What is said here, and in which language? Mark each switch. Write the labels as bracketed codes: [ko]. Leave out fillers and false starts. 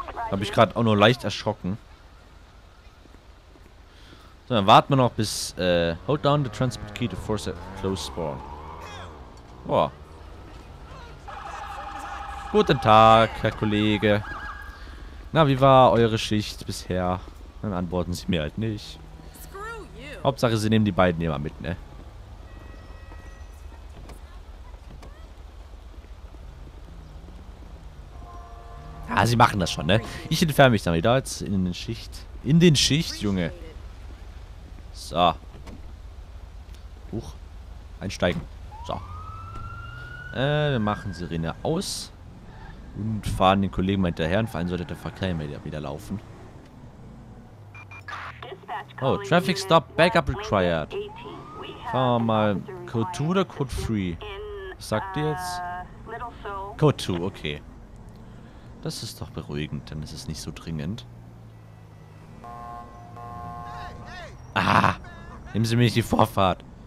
[de] Habe ich gerade auch nur leicht erschrocken. So, dann warten wir noch bis. [en] Hold down the transport key to force a close spawn. [de] Boah. Guten Tag, Herr Kollege. Na, wie war eure Schicht bisher? Dann antworten sie mir halt nicht. Hauptsache, sie nehmen die beiden immer mit, ne? Ja, sie machen das schon, ne? Ich entferne mich dann wieder jetzt in den Schicht. In den Schicht, Junge. So. Huch. Einsteigen. So. Wir machen Sirene aus. Und fahren den Kollegen mal hinterher. Und vor allem sollte der Verkehr wieder laufen. [en] Oh, Traffic Stop Backup Required. [de] Fahren wir mal Code 2 oder Code 3? Was sagt ihr jetzt? Code 2, okay. Das ist doch beruhigend, denn es ist nicht so dringend. Ah, nehmen Sie mich die Vorfahrt.